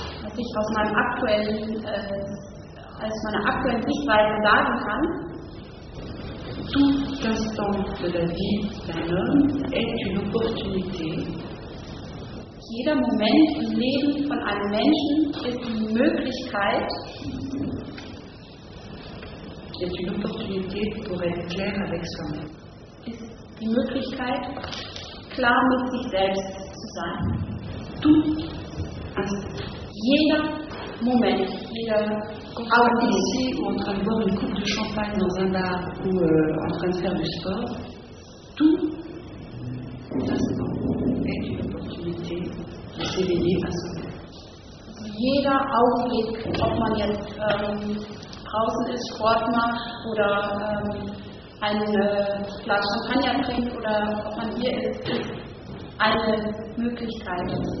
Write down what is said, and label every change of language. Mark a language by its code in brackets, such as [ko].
[de] was ich aus meinem aus meiner aktuellen Sichtweise sagen kann, [fr] tout instant de la vie d'un homme est une opportunité. [de] Jeder Moment im Leben von einem Menschen ist die Möglichkeit, [fr] est une opportunité pour être clair avec soi-même. [de] Ist die Möglichkeit, klar mit sich selbst zu sein. [fr] Tout instant. [de] Jeder Moment, jeder Augenblick. [fr] Auch ici, en train de boire une coupe de champagne dans un bar ou en train de faire du sport, tout instant est une opportunité de s'éveiller à soi-même. [de] Jeder Augenblick, ob man jetzt draußen ist, Sport macht oder eine Flasche Champagner trinkt oder ob man hier ist, ist eine Möglichkeit.